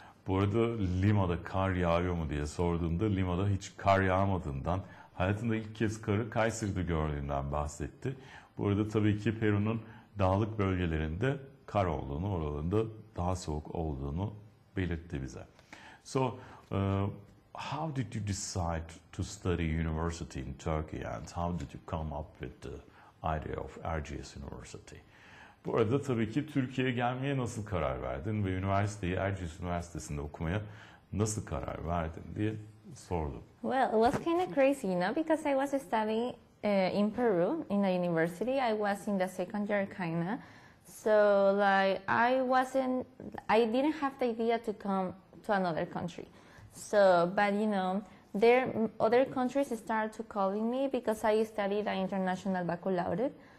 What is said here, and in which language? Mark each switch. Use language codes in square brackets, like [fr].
[tr] Bu arada Lima'da kar yağıyor mu diye sorduğunda Lima'da hiç kar yağmadığından, hayatında ilk kez karı Kayseri'de gördüğünden bahsetti. Bu arada tabii ki Peru'nun dağlık bölgelerinde kar olduğunu, oralarında daha soğuk olduğunu belirtti bize. [en] So, how did you decide to study university in Turkey and how did you come up with the idea of Erciyes University? [tr] Bu arada tabii ki Türkiye'ye gelmeye nasıl karar verdin ve üniversiteyi Erciyes Üniversitesi'nde okumaya nasıl karar verdin diye sordum. [en] Well, it was kind of crazy, you know, because I was studying in Peru in a university. I was in the second year kind of. So, like, I didn't have the idea to come to another country. So, but you know, there other countries start to calling me because I studied an international baccalaureate.